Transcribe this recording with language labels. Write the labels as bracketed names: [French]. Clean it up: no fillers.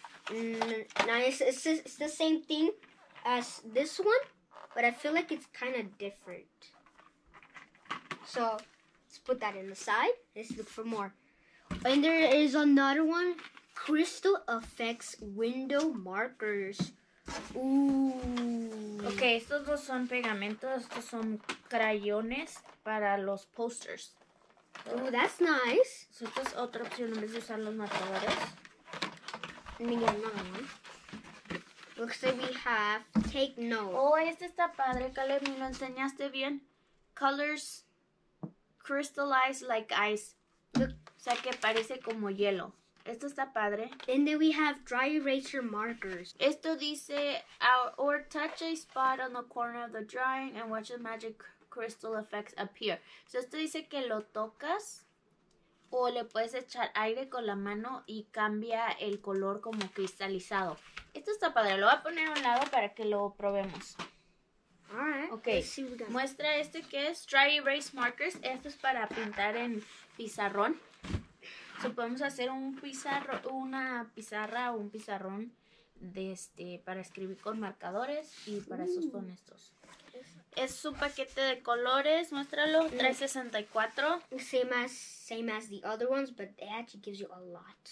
[English] Now it's the same thing as this one, but I feel like it's kind of different. So let's put that in the side. Let's look for more. And there is another one, Crystal Effects Window Markers. Ooh. [Spanish] Okay, estos dos son pegamentos, estos son crayones para los posters. [English] Ooh, that's nice. [Spanish] So, esta es otra opción en vez de usar los marcadores. [English] Let me get another one. Looks like we have Take Note. [Spanish] Oh, este está padre, Caleb, me lo enseñaste bien. [English] Colors crystallize like ice. Look. [Spanish] O sea, que parece como hielo. Esto está padre. [English] And then we have dry eraser markers. [Spanish] Esto dice, [English] or touch a spot on the corner of the drawing and watch the magic crystal effects appear. [Spanish] So esto dice que lo tocas o le puedes echar aire con la mano y cambia el color como cristalizado. Esto está padre. Lo voy a poner a un lado para que lo probemos. [English] Alright. [Spanish] Okay. Muestra este que es dry erase markers. Esto es para pintar en pizarrón. So, podemos hacer un pizarrón de para escribir con marcadores y para esos con estos. Es un paquete de colores, muéstralo, 364. [English] Same as the other ones, but it actually gives you a lot.